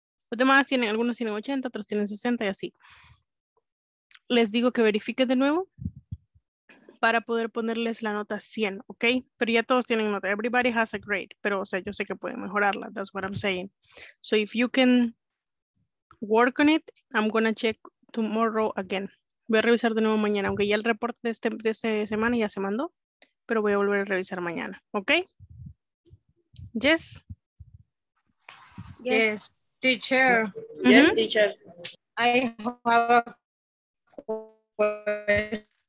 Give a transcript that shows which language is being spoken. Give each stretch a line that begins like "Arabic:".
Spanish: Los demás tienen, algunos tienen 80, otros tienen 60 y así. Les digo que verifique de nuevo para poder ponerles la nota 100, ¿ok? Pero ya todos tienen nota.
English: Everybody has a grade.
Spanish: Pero, o sea, yo sé que pueden mejorarla.
English: That's what I'm saying. So if you can work on it, I'm gonna check tomorrow again.
Spanish: Voy a revisar de nuevo mañana, aunque ya el reporte de esta semana ya se mandó. Pero voy a volver a revisar mañana, ¿ok?
English: Yes. Yes, teacher. Yes, teacher. I have a question.